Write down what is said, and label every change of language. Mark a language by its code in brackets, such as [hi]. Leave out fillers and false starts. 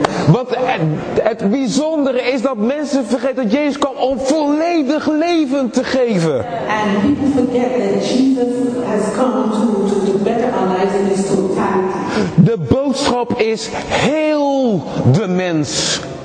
[nl] Want het bijzondere is dat mensen vergeten dat Jezus kwam om volledig leven te geven. [en] And people forget that Jesus has come to better our lives in his totality. [nl] De boodschap is heel de mens.